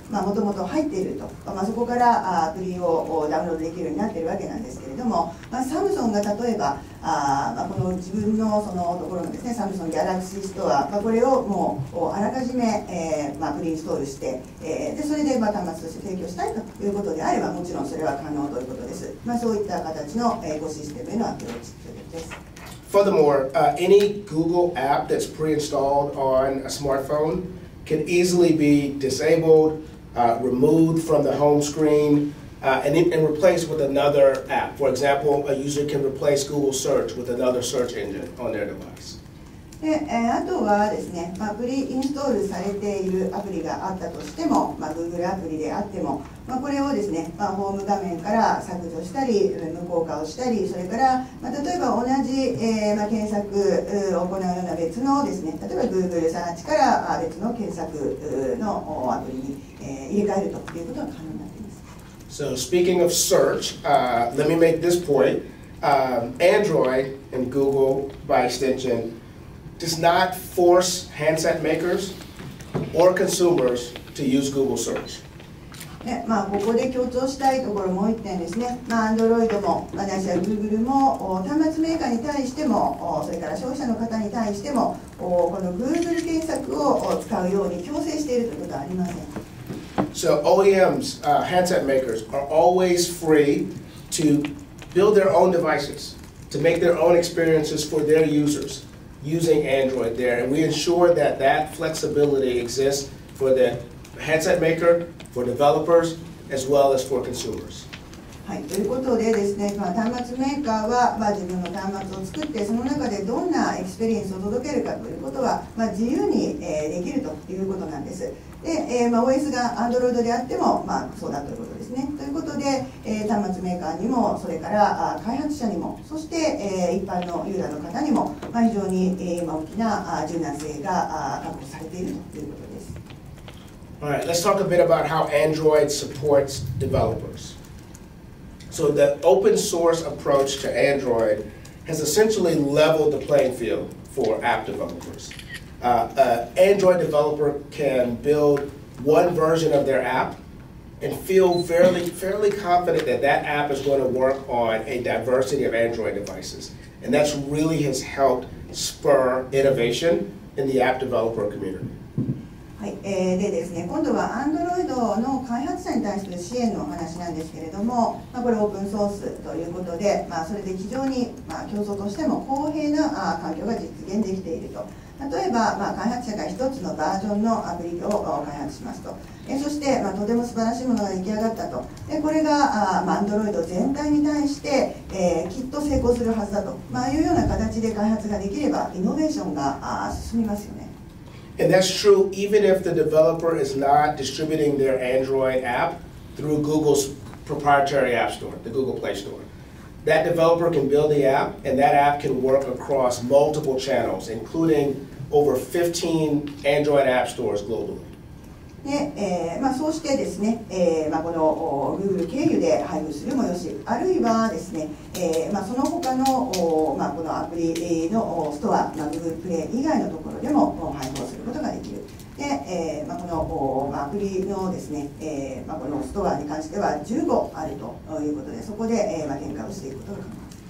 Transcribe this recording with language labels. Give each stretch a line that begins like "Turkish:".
Japanese: まあ、もともと入っていると、まあ、そこからアプリをダウンロードできるようになっているわけなんですけれども、まあ、サムソンが例えば、まあ、この自分のそのところのですね、サムソンギャラクシーストア、まあ、これをもうあらかじめ、まあ、プリインストールして、でそれでまあ端末として提供したいということであれば、もちろんそれは可能ということです。まあ、そういった形のエコシステムへのアプローチということです。
English: Furthermore, any Google app that's pre-installed on a smartphone can easily be disabled, removed from the home screen, and replaced with another app. For example, a user can replace Google Search with another search engine on their device.
Japanese: あとはですね、まあ、プリインストールされているアプリがあったとしても、まあ、Google アプリであっても、まあ、これをですね、まあ、ホーム画面から削除したり無効化をしたり、それから、まあ、例えば同じ、まあ、検索を行うような別のですね、例えば Google サーチから別の検索のアプリに入れ替えるということが可能になっています。
English: So speaking of search, let me make this point. Android and Google by extensionDoes not force handset makers or consumers to use Google Search.
Japanese: まあ、ここで強調したいところもう一点ですね。まあ、Android も、まあ、私は Google も、端末メーカーに対しても、それから消費者の方に対しても、この Google 検索を使うように強制しているということはありません。
English: So OEMs, handset makers, are always free to build their own devices, to make their own experiences for their users. Using Android there, and we ensure that that flexibility exists for the handset maker, for developers, as well as for consumers.
Japanese: はい、ということでですね、まあ、端末メーカーは、まあ、自分の端末を作って、その中でどんなエクスペリエンスを届けるかということは、まあ、自由に、できるということなんです。で、まあ、OS が Android であっても、まあ、そうだということですね。ということで、端末メーカーにも、それから開発者にも、そして、一般のユーザーの方にも、まあ、非常に、大きな柔軟性が確保されているということです。
English: All right, let's talk a bit about how Android supports developers. So the open source approach to Android has essentially leveled the playing field for app developers. An Android developer can build one version of their app and feel fairly confident that that app is going to work on a diversity of Android devices. And that's really has helped spur innovation in the app developer community.
Japanese: はい、でですね、今度は Android の開発者に対する支援のお話なんですけれども、まあ、これオープンソースということで、まあ、それで非常に、まあ、競争としても公平な環境が実現できていると。例えば、まあ、開発者が一つのバージョンのアプリを開発しますと。そして、まあ、とても素晴らしいものが出来上がったと。でこれが、まあ、Android 全体に対して、きっと成功するはずだと、まあ、いうような形で開発ができれば、イノベーションが進みますよね。
English: And that's true even if the developer is not distributing their Android app through Google's proprietary app store, the Google Play Store. That developer can build the app, and that app can work across multiple channels, including over 15 Android app stores globally.
Japanese: まあ、そうしてですね、まあ、この Google 経由で配布するもよし、あるいはですね、まあ、その他の、まあ、このアプリのストア、まあ、Google Play 以外のところでも配布することができる。で、まあ、この、まあ、アプリのですね、まあ、このストアに関しては15あるということで、そこで、まあ、展開をしていくことが可能です。